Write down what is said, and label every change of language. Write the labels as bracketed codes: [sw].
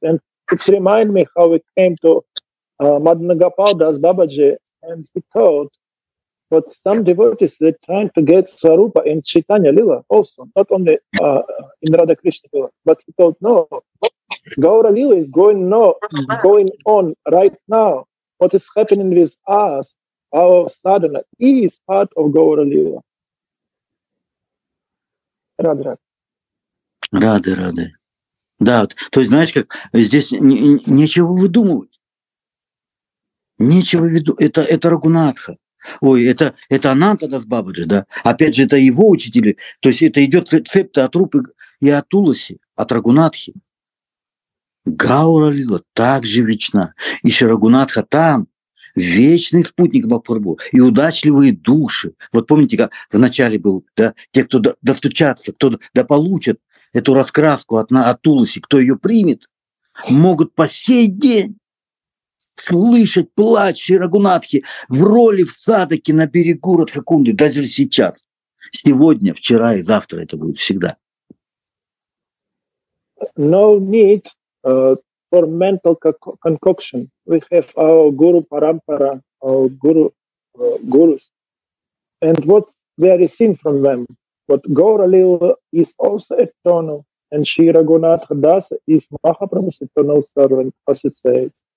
[en] And it's remind me how it came to Madhnagapal Das Babaji, and he told, but some devotees, they're trying to get Swarupa in Chaitanya Lila also, not only in Radha Krishna Lila. But he told, no, Gaura Lila is going on right now. What is happening with us, our sadhana, is part of Gaura Lila. [ru] Рады. Да, вот, то есть, знаешь, как здесь нечего выдумывать. Это Рагунатха. Ой, это Ананта Дас Бабаджи, да. Опять же, это его учители. То есть это идет цепь-то от Рупы и от Туласи, от Рагунатхи. Гаура Лила так же вечна. И Шри Рагунатха там. Вечный спутник Махапрабху и удачливые души. Вот помните, как вначале был, да, те, кто достучатся, кто дополучит эту раскраску от Туласи, кто ее примет, могут по сей день слышать плач Шри Рагунатхи в роли в садаке на берегу Радхакунды, даже сейчас. Сегодня, вчера и завтра это будет всегда. [en] No need. For mental concoction, we have our guru parampara, our guru gurus, and what we are seeing from them. But Gaura Lila is also eternal, and Shri Raghunatha Das is Mahaprabhu's eternal servant, as it says.